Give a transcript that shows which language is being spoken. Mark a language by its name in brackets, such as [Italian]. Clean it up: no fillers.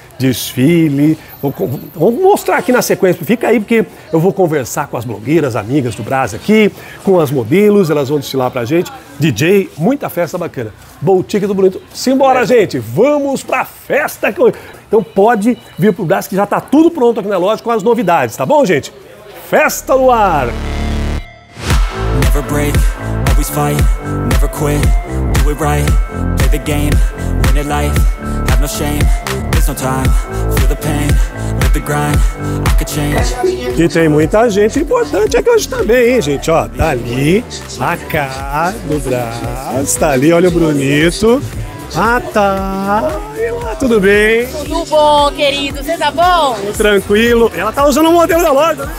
[Portuguese] Desfile, vou mostrar aqui na sequência, fica aí porque eu vou conversar com as blogueiras, amigas do Brás aqui, com as modelos, elas vão desfilar pra gente. DJ, muita festa bacana. Boutique do Brunito, simbora gente, vamos pra festa. Então pode vir pro Brás que já tá tudo pronto aqui na loja com as novidades, tá bom gente? Festa no ar! [English] Never break. Always fight, never quit, do it right, play the game, win it life, have no shame, there's no time, feel the pain, live the grind, I could change. [Portuguese] E tem muita gente importante aqui hoje também, hein, gente, ó, tá ali, a cá, no Brás, tá ali, olha o Brunito, ah, tá, tudo bem? Tudo bom, querido, você tá bom? Tranquilo, ela tá usando o modelo da loja, né?